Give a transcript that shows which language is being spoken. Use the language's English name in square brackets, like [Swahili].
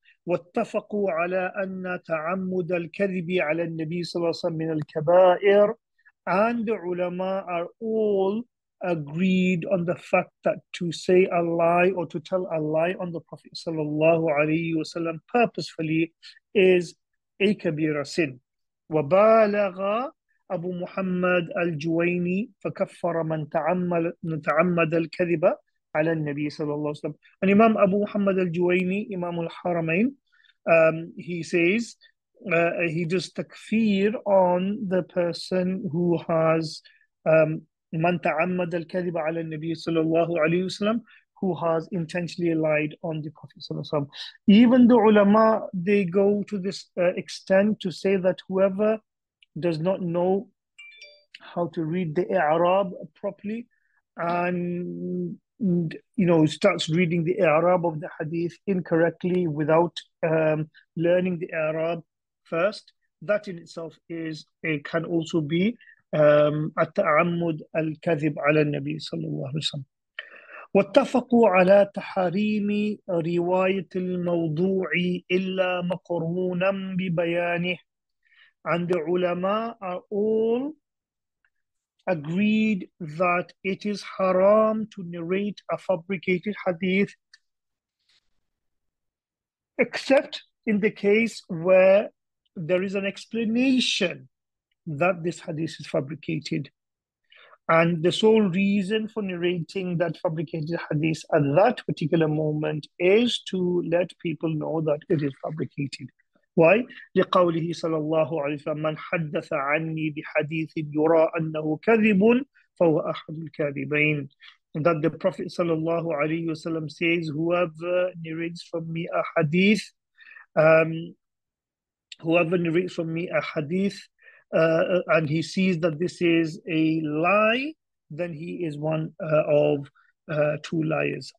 [Arabic] واتفقوا على أن تعمد الكذب على النبي صلى الله عليه وسلم من الكبائر, [English] and the ulama are all agreed on the fact that to say a lie or to tell a lie on the Prophet صلى الله عليه وسلم purposefully is a kabira sin. [Arabic] وبالغ أبو محمد الجويني فكفر من تعمد الكذب على النبي صلى الله عليه وسلم. [English] And Imam Abu Muhammad al-Juwayni, Imam al-Haramain, he says, he does takfir on the person who has [Arabic] من تعمد الكذب على النبي صلى الله عليه وسلم, [English] who has intentionally lied on the Prophet صلى الله عليه وسلم. Even the ulama, they go to this extent to say that whoever does not know how to read the I'rab properly and starts reading the I'rab of the hadith incorrectly without learning the I'rab first, that in itself is it can also be [Arabic] at-ta'ammud al-kadhib ala an-nabi sallallahu alaihi wasallam. واتفقوا على تحريم رواية الموضوع إلا مقرونا ببيانه. [English] And the ulama are all agreed that it is haram to narrate a fabricated hadith, except in the case where there is an explanation that this hadith is fabricated. And the sole reason for narrating that fabricated hadith at that particular moment is to let people know that it is fabricated. Why? [Arabic] لقوله صلى الله عليه وسلم, من حدث عني بحديث يرى أنه كذب فهو أحد الكاذبين. [English] That the Prophet صلى الله عليه وسلم says, whoever narrates from me a hadith, and he sees that this is a lie, then he is one of two liars.